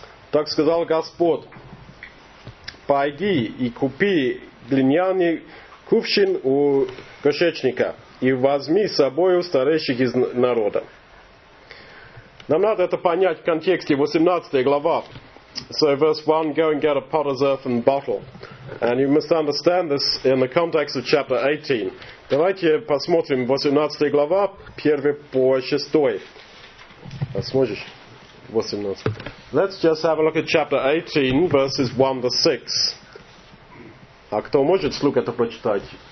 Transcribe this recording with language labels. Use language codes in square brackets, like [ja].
[ru] Так сказал Господь: «Пойди и купи глиняный кувшин у кошечника и возьми с собой старейших из народа». Нам надо это понять в контексте 18 глава. [en] So verse 1, go and get a potter's earthen bottle. And you must understand this in the context of chapter 18. [ru] Давайте посмотрим 18 глава, 1 по 6. Сможешь? [en] 18. Let's just have a look at chapter 18, verses 1 to 6. [ru] А кто может слух это прочитать?